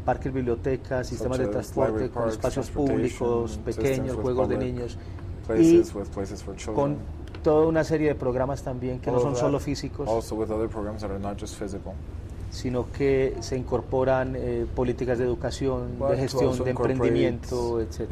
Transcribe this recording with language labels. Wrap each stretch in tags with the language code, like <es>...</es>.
<es>Parques, bibliotecas, sistemas de transporte, con espacios públicos, pequeños, juegos de niños.</es> <en>Places with places for children.</en> <es>Con toda una serie de programas también que no son solo físicos.</es> <en>Also with other programs that are not just physical.</en> <es>Sino que se incorporan políticas de educación, de gestión, de emprendimiento, etc.</es>